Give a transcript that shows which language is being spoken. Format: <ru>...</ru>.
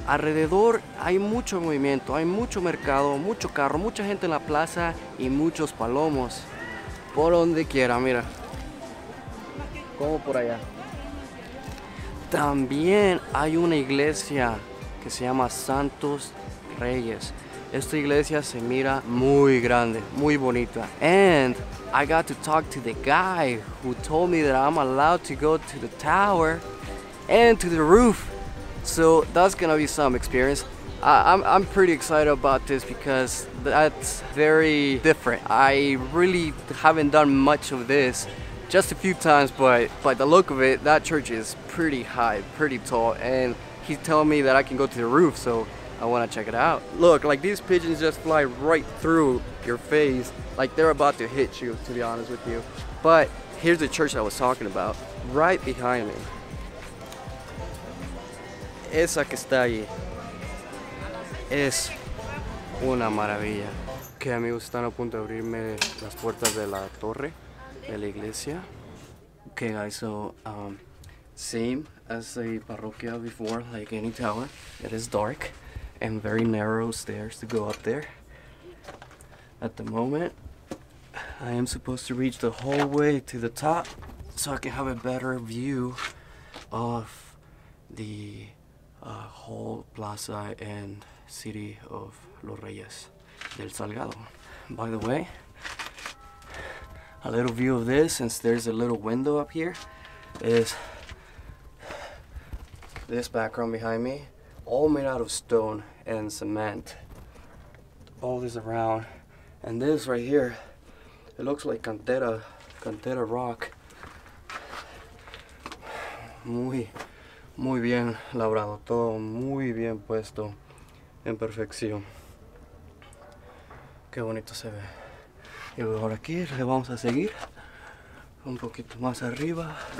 <es>Alrededor hay mucho movimiento, hay mucho mercado, mucho carro, mucha gente en la plaza y muchos palomos por donde quiera. Mira como por allá. También hay una iglesia que se llama Santos Reyes. Esta iglesia se mira muy grande, muy bonita.</es> <en>And I got to talk to the guy who told me that I'm allowed to go to the tower and to the roof. So that's gonna be some experience. I'm pretty excited about this because that's very different. I really haven't done much of this. Just a few times, but by the look of it, that church is pretty high, pretty tall, and he's telling me that I can go to the roof, so I want to check it out. Look, like these pigeons just fly right through your face, like they're about to hit you, to be honest with you. But here's the church I was talking about, right behind me.</en> <es>Esa que está allí es una maravilla. Okay, amigos, están a punto de abrirme las puertas de la torre. De la iglesia.</es> <en>Okay guys, so same as the parroquia before, like any tower, it is dark and very narrow stairs to go up there. At the moment, I am supposed to reach the whole way to the top so I can have a better view of the whole plaza and city of Los Reyes del Salgado. By the way, a little view of this, since there's a little window up here, is this background behind me, all made out of stone and cement. All this around, and this right here, it looks like cantera rock.</en> <es>Muy, muy bien labrado, todo muy bien puesto, en perfección. Qué bonito se ve. Y ahora aquí le vamos a seguir un poquito más arriba.</es>